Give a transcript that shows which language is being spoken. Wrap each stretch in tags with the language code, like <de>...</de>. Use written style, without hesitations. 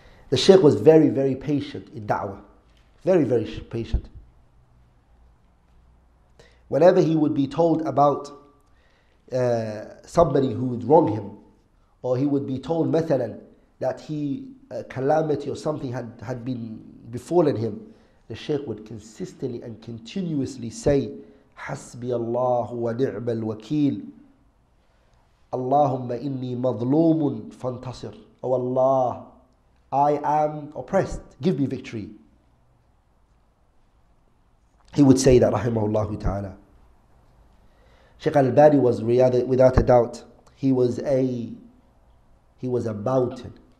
<en>The Shaykh was very, very patient in da'wah. Very, very patient. Whenever he would be told about somebody who would wrong him, or he would be told,</en> <ar>مثلا,</ar> <en>that he, a calamity or something had been befallen him, the Shaykh would consistently and continuously say,</en> <ar>حَسْبِيَ اللَّهُ وَنِعْمَ الْوَكِيلُ اللَّهُمَّ إِنِّي مَظْلُومٌ فَانْتَصِرْ.</ar> <en>Oh Allah, I am oppressed, give me victory. He would say that, rahimahullah ta'ala. Shaykh al-Bani was, without a doubt, he was a mountain.</en>